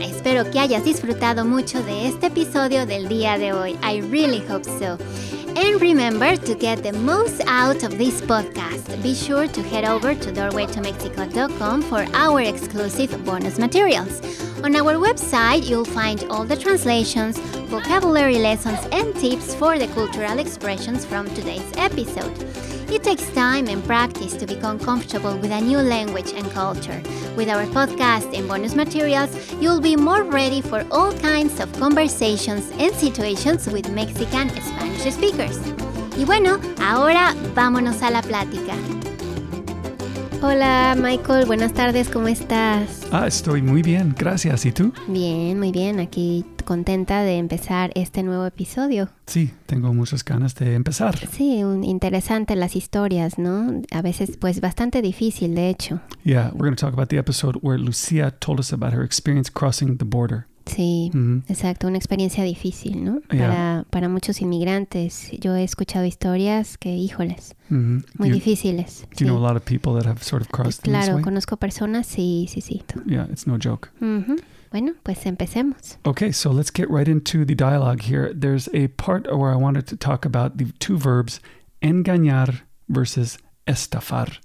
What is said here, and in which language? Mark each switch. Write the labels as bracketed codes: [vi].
[es] Espero que hayas disfrutado mucho de este episodio del día de hoy. [en] I really hope so. And remember, to get the most out of this podcast, be sure to head over to doorwaytomexico.com for our exclusive bonus materials. On our website, you'll find all the translations, vocabulary lessons, and tips for the cultural expressions from today's episode. It takes time and practice to become comfortable with a new language and culture. With our podcast and bonus materials, you'll be more ready for all kinds of conversations and situations with Mexican Spanish speakers. [es] Y bueno, ahora vámonos a la plática. Hola, Michael. Buenas tardes. ¿Cómo estás? Ah, estoy muy bien. Gracias. ¿Y tú? Bien, muy bien. Aquí contenta de empezar este nuevo episodio. Sí, tengo muchas ganas de empezar. Sí, interesante las historias, ¿no? A veces, pues, bastante difícil, de hecho. [en] Yeah, we're going to talk about the episode where Lucia told us about her experience crossing the border. [es] Sí, exacto. Una experiencia difícil, ¿no? Yeah. Para muchos inmigrantes. Yo he escuchado historias que, híjoles, muy difíciles. [en] Do you know a lot of people that have sort of crossed this way? [es] Claro, conozco personas, sí. [en] Yeah, it's no joke. [es] Bueno, pues empecemos. [en] Okay, so let's get right into the dialogue here. There's a part where I wanted to talk about the two verbs, engañar versus estafar.